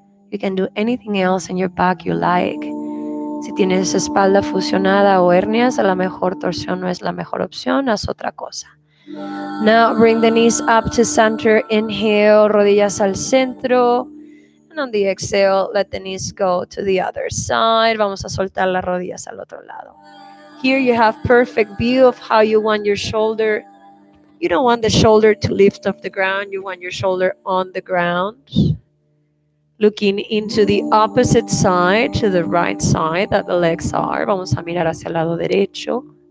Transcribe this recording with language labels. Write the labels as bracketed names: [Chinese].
[English] You can do anything else in your back you like. [Spanish] Si tienes espalda fusionada o hernias, a lo mejor torsión no es la mejor opción, haz otra cosa. [English] Now bring the knees up to center, inhale, [Spanish] rodillas al centro. [English] And on the exhale, let the knees go to the other side. [Spanish] Vamos a soltar las rodillas al otro lado. [English] Here you have perfect view of how you want your shoulder. You don't want the shoulder to lift off the ground, you want your shoulder on the ground. Looking into the opposite side, to the right side that the legs are. [Spanish] Vamos a mirar hacia el lado derecho.